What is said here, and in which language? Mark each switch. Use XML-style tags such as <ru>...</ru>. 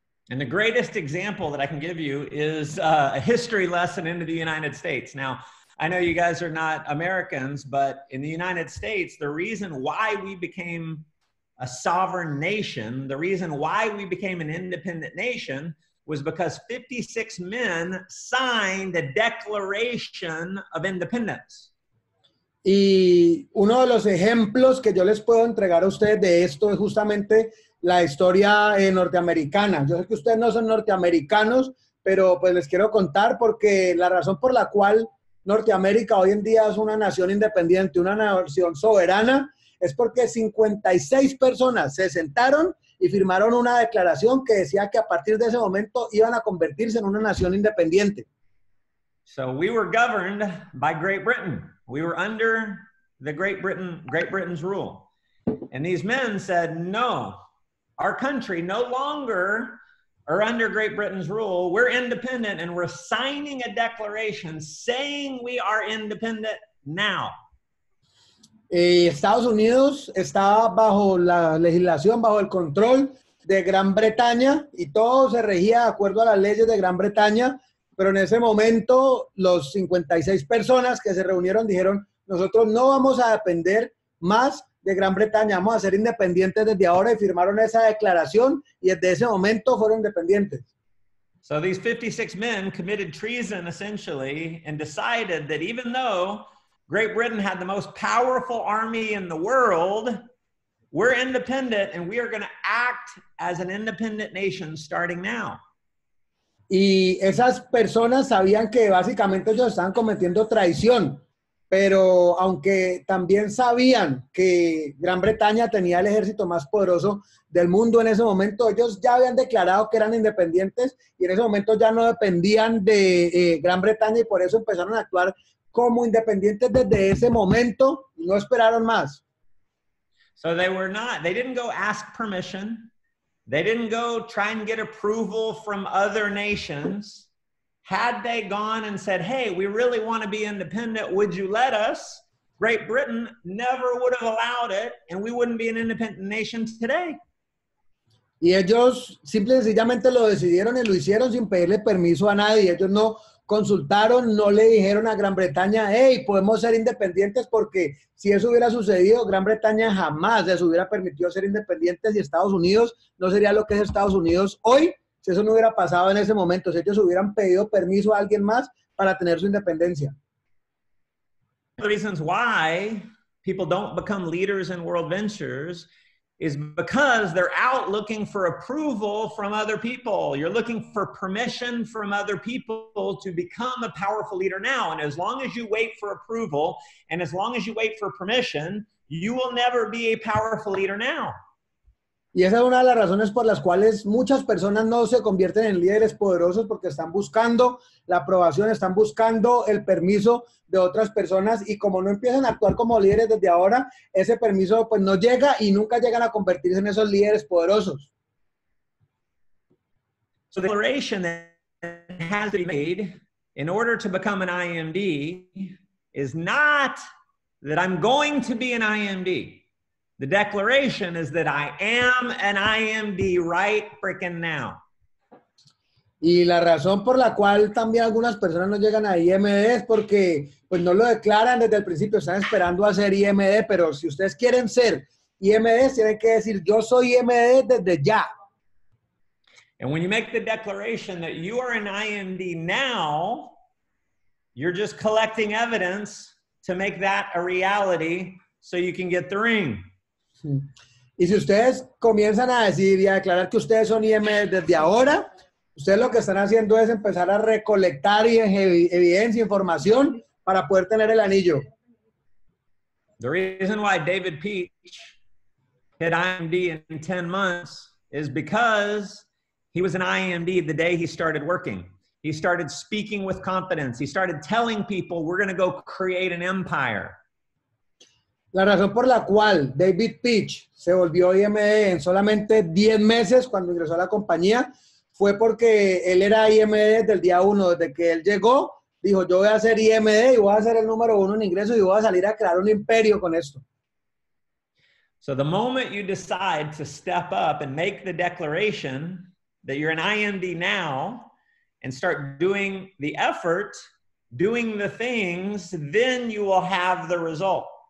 <en>And the greatest example that I can give you is a history lesson into the United States. Now, I know you guys are not Americans, but in the United States, the reason why we became a sovereign nation, the reason why we became an independent nation, was because 56 men signed a Declaration of Independence.</en> <es>Y uno de los ejemplos que yo les puedo entregar a ustedes de esto es justamente la historia norteamericana. Yo sé que ustedes no son norteamericanos, pero pues les quiero contar, porque la razón por la cual Norteamérica hoy en día es una nación independiente, una nación soberana, es porque 56 personas se sentaron y firmaron una declaración que decía que a partir de ese momento iban a convertirse en una nación independiente.</es> <en>So we were governed by Great Britain. We were under the Great Britain's rule. And these men said, no, our country no longer are under Great Britain's rule. We're independent and we're signing a declaration saying we are independent now.</en> <es>Estados Unidos está bajo la legislación, bajo el control de Gran Bretaña y todo se regía de acuerdo a las leyes de Gran Bretaña, pero en ese momento los 56 personas que se reunieron dijeron, nosotros no vamos a depender más de Gran Bretaña, vamos a ser independientes desde ahora y firmaron esa declaración y desde ese momento fueron independientes.</es> <en>So these 56 men committed treason essentially and decided that even though Great Britain had the most powerful army in the world, we're independent and we are going to act as an independent nation starting now.</en> <es>Y esas personas sabían que básicamente ellos estaban cometiendo traición, pero aunque también sabían que Gran Bretaña tenía el ejército más poderoso del mundo en ese momento, ellos ya habían declarado que eran independientes y en ese momento ya no dependían de Gran Bretaña y por eso empezaron a actuar como independientes desde ese momento y no esperaron más.</es> <en>So they didn't go ask permission. They didn't go try and get approval from other nations. Had they gone and said, hey, we really want to be independent, would you let us? Great Britain never would have allowed it, and we wouldn't be an independent nation today.</en> <es>Y ellos simple y sencillamente lo decidieron y lo hicieron sin pedirle permiso a nadie. Ellos no consultaron, no le dijeron a Gran Bretaña, hey, podemos ser independientes, porque si eso hubiera sucedido, Gran Bretaña jamás les hubiera permitido ser independientes y Estados Unidos no sería lo que es Estados Unidos hoy si eso no hubiera pasado en ese momento, si ellos hubieran pedido permiso a alguien más para tener su independencia.</es> <en>One of the reasons why people don't become leaders in World Ventures is because they're out looking for approval from other people. You're looking for permission from other people to become a powerful leader now. And as long as you wait for approval, and as long as you wait for permission, you will never be a powerful leader now.</en> <es>Y esa es una de las razones por las cuales muchas personas no se convierten en líderes poderosos, porque están buscando la aprobación, están buscando el permiso de otras personas, y como no empiezan a actuar como líderes desde ahora, ese permiso pues no llega y nunca llegan a convertirse en esos líderes poderosos.</es> <en>So the declaration that has to be made in order to become an IMD is not that I'm going to be an IMD. The declaration is that I am an IMD right freaking now.</en> <es>Y la razón por la cual también algunas personas no llegan a IMD es porque pues no lo declaran desde el principio, están esperando a ser IMD, pero si ustedes quieren ser IMD, tienen que decir yo soy IMD desde ya.</es> <en>And when you make the declaration that you are an IMD now, you're just collecting evidence to make that a reality so you can get the ring.</en> <es>Y si ustedes comienzan a decir y a declarar que ustedes son IMD desde ahora, ustedes lo que están haciendo es empezar a recolectar evidencia, información, para poder tener el anillo.</es> <en>The reason why David Peach hit IMD in 10 months is because he was an IMD the day he started working. He started speaking with confidence. He started telling people, we're going to go create an empire.</en> <es>La razón por la cual David Peach se volvió IMD en solamente 10 meses cuando ingresó a la compañía fue porque él era IMD desde el día 1. Desde que él llegó, dijo, yo voy a ser IMD y voy a ser el número 1 en ingresos y voy a salir a crear un imperio con esto.</es> <en>So the moment you decide to step up and make the declaration that you're an IMD now and start doing the effort, doing the things, then you will have the result.</en>